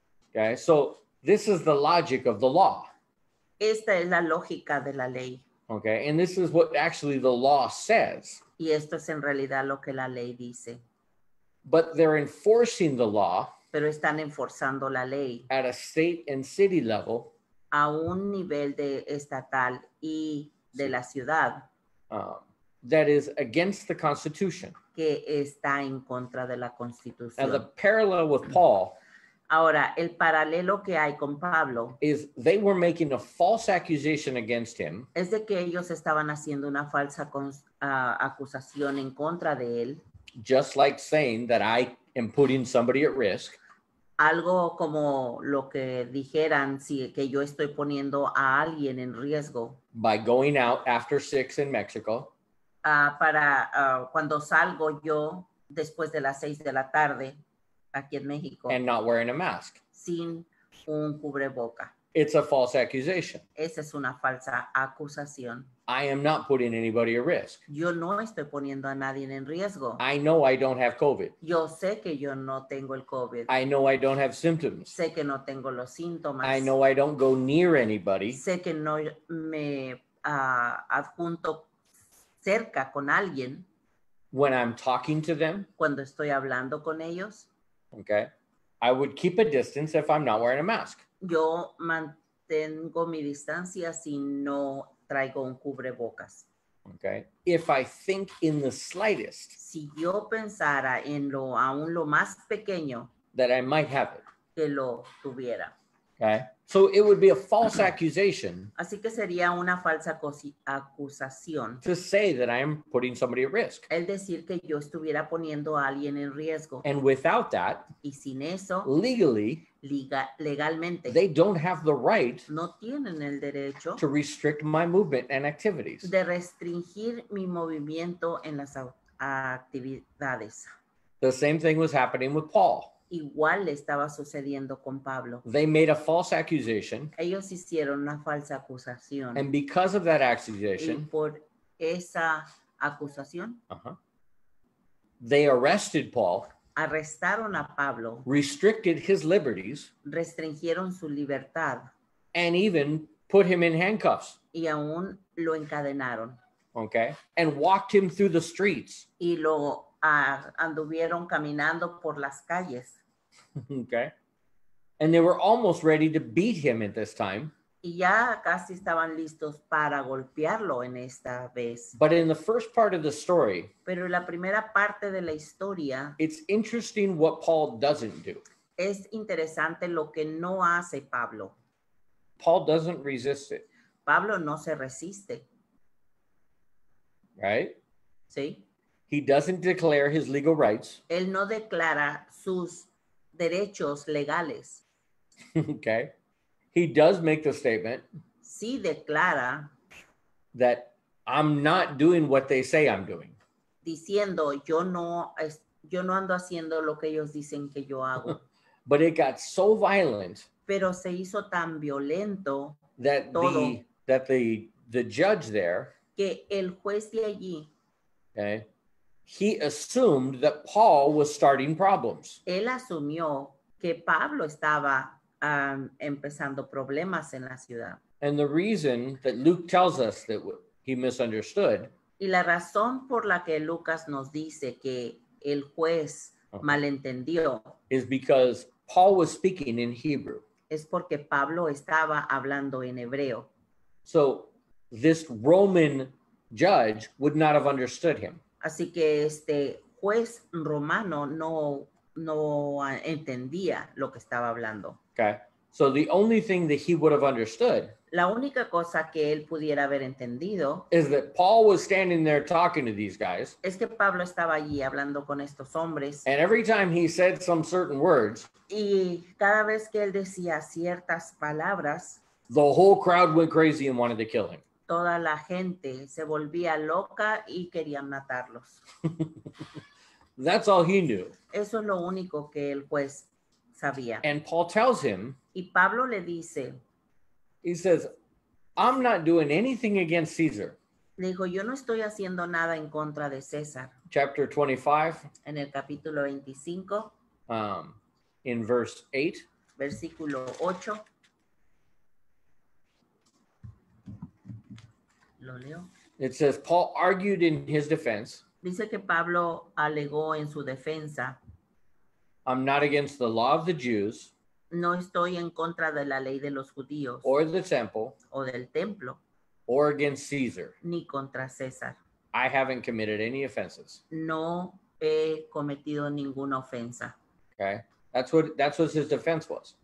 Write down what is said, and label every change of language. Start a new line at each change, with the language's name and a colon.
English: Okay, so this is the logic of the law.
Spanish: Esta es la lógica de la ley.
English: Okay, and this is what actually the law says.
Spanish: Y esto es en realidad lo que la ley dice.
English: But they're enforcing the law.
Spanish: Pero están enforzando la ley.
English: At a state and city level.
Spanish: A un nivel de estatal y de la ciudad.
English: That is against the Constitution.
Spanish: Que está en contra de la Constitución.
English: Now the parallel with Paul.
Spanish: Ahora, el paralelo que hay con Pablo
English: is they were making a false accusation against him.
Spanish: Es de que ellos estaban haciendo una falsa acusación en contra de él.
English: Just like saying that I am putting somebody at risk.
Spanish: Algo como lo que dijeran, sí, que yo estoy poniendo a alguien en riesgo.
English: By going out after six in Mexico.
Spanish: Cuando salgo yo después de las 6 de la tarde. Aquí en México.
English: And not wearing a mask.
Spanish: Sin un cubreboca.
English: It's a false accusation.
Spanish: Esa es una falsa acusación.
English: I am not putting anybody at risk.
Spanish: Yo no estoy poniendo a nadie en riesgo.
English: I know I don't have COVID.
Spanish: Yo sé que yo no tengo el COVID.
English: I know I don't have symptoms.
Spanish: Sé que no tengo los síntomas.
English: I know I don't go near anybody.
Spanish: Sé que no me adjunto cerca con alguien.
English: When I'm talking to them.
Spanish: Cuando estoy hablando con ellos.
English: Okay. I would keep a distance if I'm not wearing a mask.
Spanish: Yo mantengo mi distancia si no traigo un cubrebocas.
English: Okay. If I think in the slightest.
Spanish: Si yo pensara en lo aún lo más pequeño.
English: That I might have it.
Spanish: Que lo tuviera.
English: Okay. So it would be a false accusation.
Spanish: Así que sería una falsa acusación.
English: To say that I am putting somebody at risk.
Spanish: El decir que yo estuviera poniendo a alguien en riesgo.
English: And without that.
Spanish: Y sin eso.
English: Legally.
Spanish: Legalmente.
English: They don't have the right.
Spanish: No tienen el derecho.
English: To restrict my movement and activities.
Spanish: De restringir mi movimiento en las actividades.
English: The same thing was happening with Paul.
Spanish: Igual estaba sucediendo con Pablo.
English: They made a false accusation.
Spanish: Ellos hicieron una falsa acusación.
English: And because of that accusation.
Spanish: Y por esa acusación.
English: They arrested Paul.
Spanish: Arrestaron a Pablo.
English: Restricted his liberties.
Spanish: Restringieron su libertad.
English: And even put him in handcuffs.
Spanish: Y aún lo encadenaron.
English: Okay. And walked him through the streets.
Spanish: Y lo anduvieron caminando por las calles.
English: Okay. And they were almost ready to beat him at this time.
Spanish: Y ya casi estaban listos para golpearlo en esta vez.
English: But in the first part of the story,
Spanish: pero en la primera parte de la historia,
English: it's interesting what Paul doesn't do.
Spanish: Es interesante lo que no hace Pablo.
English: Paul doesn't resist it.
Spanish: Pablo no se resiste.
English: Right?
Spanish: Sí.
English: He doesn't declare his legal rights.
Spanish: Él no declara sus derechos legales.
English: Okay. He does make the statement.
Spanish: Sí declara.
English: That I'm not doing what they say I'm doing.
Spanish: Diciendo, yo no ando haciendo lo que ellos dicen que yo hago.
English: But it got so violent.
Spanish: Pero se hizo tan violento.
English: That
Spanish: todo,
English: the judge there.
Spanish: Que el juez de allí.
English: Okay. He assumed that Paul was starting problems.
Spanish: Él asumió que Pablo estaba empezando problemas en la ciudad.
English: And the reason that Luke tells us that he misunderstood.
Spanish: Y la razón por la que Lucas nos dice que el juez malentendió.
English: Is because Paul was speaking in Hebrew.
Spanish: Es porque Pablo estaba hablando en hebreo.
English: So this Roman judge would not have understood him.
Spanish: Así que este juez romano no entendía lo que estaba hablando.
English: Okay. So the only thing that he would have understood.
Spanish: La única cosa que él pudiera haber entendido.
English: Is that Paul was standing there talking to these guys.
Spanish: Es que Pablo estaba allí hablando con estos hombres.
English: And every time he said some certain words.
Spanish: Y cada vez que él decía ciertas palabras.
English: The whole crowd went crazy and wanted to kill him.
Spanish: Toda la gente se volvía loca y querían matarlos.
English: That's all he knew.
Spanish: Eso es lo único que el juez sabía.
English: And Paul tells him.
Spanish: Y Pablo le dice.
English: He says, I'm not doing anything against Caesar.
Spanish: Dijo, yo no estoy haciendo nada en contra de César.
English: Chapter 25.
Spanish: En el capítulo 25.
English: In verse 8.
Spanish: Versículo 8.
English: It says Paul argued in his defense.
Spanish: Dice que Pablo alegó en su defensa.
English: I'm not against the law of the Jews.
Spanish: No estoy en contra de la ley de los judíos.
English: Or the temple.
Spanish: O del templo.
English: Or against Caesar.
Spanish: Ni contra César.
English: I haven't committed any offenses.
Spanish: No he cometido ninguna ofensa.
English: Okay. That's what his defense was.